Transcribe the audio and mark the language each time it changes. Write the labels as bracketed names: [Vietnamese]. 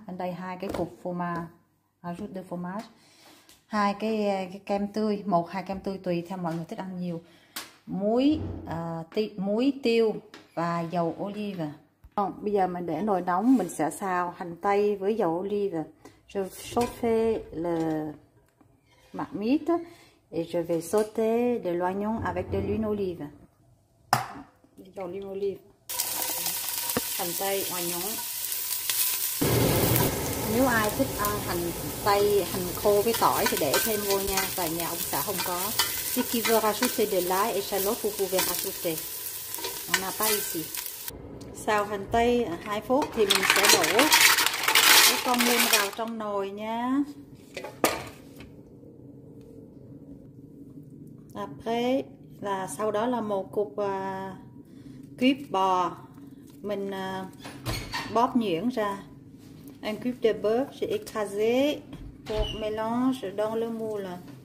[Vietnamese] Bên đây hai cái cục phô mai, [French] ajout de fromage. [Vietnamese] Hai cái kem tươi, một hai kem tươi tùy theo mọi người thích ăn nhiều. Muối muối tiêu và dầu olive. Bây giờ mình để nồi nóng, mình sẽ xào hành tây với dầu olive. [French] Je chauffe le marmite et je vais sauter de l'oignon avec de l'huile olive. [Vietnamese] Dầu olive, hành tây, oignon. Nếu ai thích ăn hành tây, hành khô với tỏi thì để thêm vô nha. Tại nhà ông xã không có. [French] Si qui veut rajouter de l'ail et chalot, vous pouvez rajouter. On n'a pas ici. [Vietnamese] Xào hành tây 2 phút thì mình sẽ đổ cái con mun vào trong nồi nha. Après, là sau đó là một cục cuýp bò. Mình bóp nhuyễn ra. [French] Un cuýp de bœuf, j'ai écrasé pour mélange dans le moule.